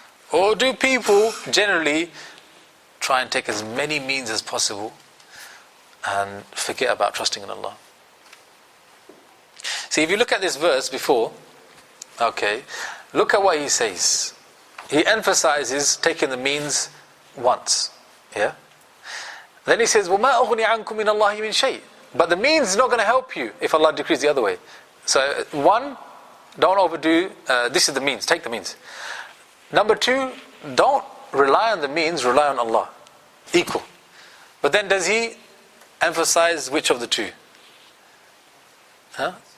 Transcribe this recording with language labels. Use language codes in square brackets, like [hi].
[en] Or do people generally try and take as many means as possible and forget about trusting in Allah? See, if you look at this verse before, okay, look at what he says. He emphasizes taking the means once. Yeah? Then he says, [ar] وَمَا أُغْنِي عَنْكُمْ مِنَ اللَّهِ مِنْ شَيْءٍ. [en] But the means is not going to help you if Allah decrees the other way. So, one, don't overdo. This is the means, take the means. Number two, don't rely on the means, rely on Allah. Equal. But then does he emphasize which of the two? Huh?